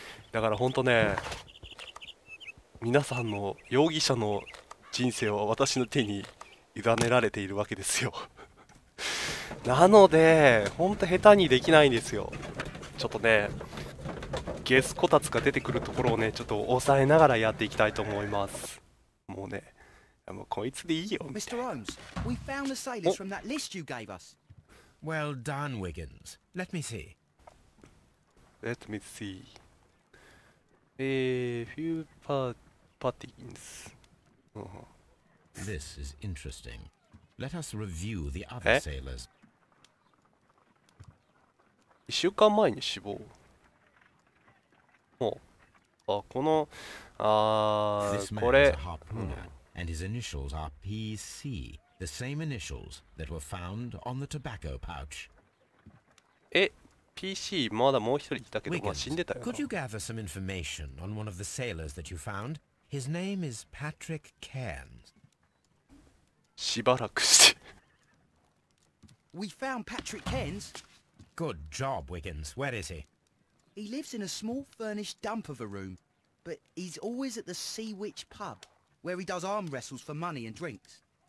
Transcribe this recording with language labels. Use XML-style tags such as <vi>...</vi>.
<ja>だから本当ね、皆さんの容疑者の人生は私の手に委ねられているわけですよ。なので本当下手にできないんですよ。ちょっとね、ゲスこたつが出てくるところをね、ちょっと抑えながらやっていきたいと思います。もうね、もうこいつでいいよ。</ja> <en>Mr. Holmes, we found the sailors from that list you gave us. Well done, Wiggins. Let me see. Let me see. Few patterns. This is interesting. Let us review the other sailors.</en> <ja>1週間前に死亡。あ、この、あこれ、</ja> <en>and his initials are PC, the same initials that were found on the tobacco pouch.</en> <ja>え、PC まだもう一人いたけど、まあ死んでたよ。</ja> <en>Could you gather some information on one of the sailors that you found? His name is Patrick Cairns.</en> <ja>しばらくして。</ja> <en>We found Patrick Cairns. Good job, Wiggins. Where is he? He lives in a small furnished dump of a room, but he's always at the Sea Witch pub, where he does arm wrestles for money and drinks.</en>